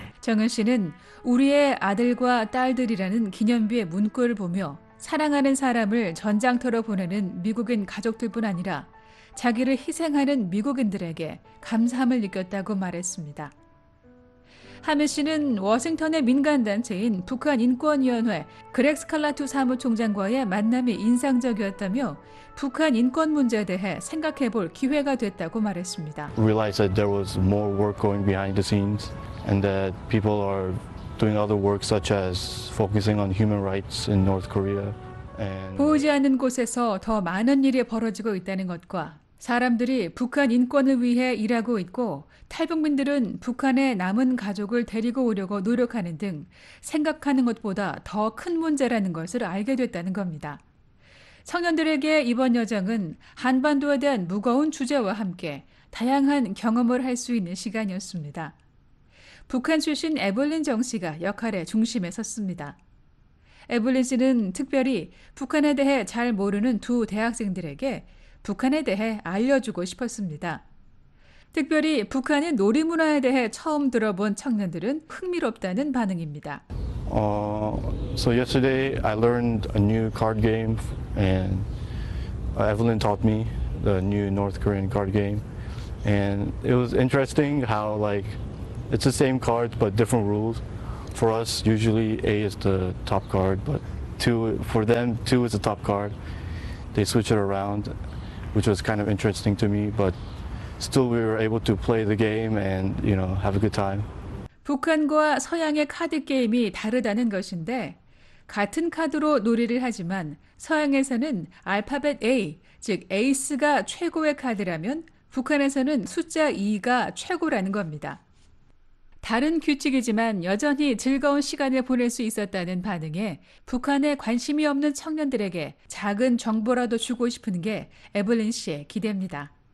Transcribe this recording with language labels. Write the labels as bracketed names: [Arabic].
[Korean] 정은 씨는 우리의 아들과 딸들이라는 기념비의 문구를 보며 사랑하는 사람을 전장터로 보내는 미국인 가족들뿐 아니라 자기를 희생하는 미국인들에게 감사함을 느꼈다고 말했습니다. 하메 씨는 워싱턴의 민간단체인 북한인권위원회 그렉 스칼라투 사무총장과의 만남이 인상적이었다며 북한 인권 문제에 대해 생각해 볼 기회가 됐다고 말했습니다. [English] Realized that there was more work going behind the scenes and that people are doing other work such as focusing on human rights in North Korea. [Korean] 보이지 않는 곳에서 더 많은 일이 벌어지고 있다는 것과 사람들이 북한 인권을 위해 일하고 있고 탈북민들은 북한의 남은 가족을 데리고 오려고 노력하는 등 생각하는 것보다 더 큰 문제라는 것을 알게 됐다는 겁니다. 청년들에게 이번 여정은 한반도에 대한 무거운 주제와 함께 다양한 경험을 할 수 있는 시간이었습니다. 북한 출신 에블린 정 씨가 역할의 중심에 섰습니다. 에블린 씨는 특별히 북한에 대해 잘 모르는 두 대학생들에게 북한에 대해 알려주고 싶었습니다. 특별히 북한의 놀이문화에 대해 처음 들어본 청년들은 흥미롭다는 반응입니다. [English] So yesterday I learned a new card game and Evelyn taught me the new North Korean card game. And it was interesting how like it's the same cards but different rules. For us usually A is the top card but for them two is the top card. They switch it around. Which was kind of interesting to me, but still we were able to play the game and, you know, have a good time. [Korean] 북한과 서양의 카드 게임이 다르다는 것인데 같은 카드로 놀이를 하지만 서양에서는 알파벳 A, 즉 에이스가 최고의 카드라면 북한에서는 숫자 2가 최고라는 겁니다. 다른 규칙이지만 여전히 즐거운 시간을 보낼 수 있었다는 반응에 북한에 관심이 없는 청년들에게 작은 정보라도 주고 싶은 게 에블린 씨의 기대입니다.